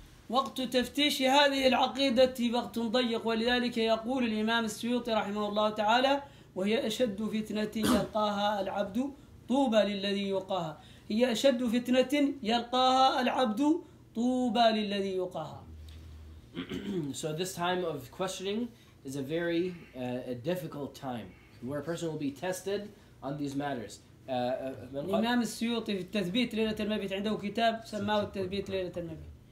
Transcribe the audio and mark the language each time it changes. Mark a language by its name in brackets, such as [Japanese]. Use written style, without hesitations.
[Arabic] وقت تفتيش هذه العقيدة وقت ضيق ولذلك يقول الإمام السيوطي رحمه الله تعالى وهي أشد فتنة يلقاها العبد طوبى للذي يقاها هي أشد فتنة يلقاها العبد طوبى للذي يقاها. [English] So this time of questioning is a very difficult time where a person will be tested on these matters. [Arabic] الإمام السيوطي في التثبيت ليلة المبيت عنده كتاب سماه التثبيت ليلة المبيت.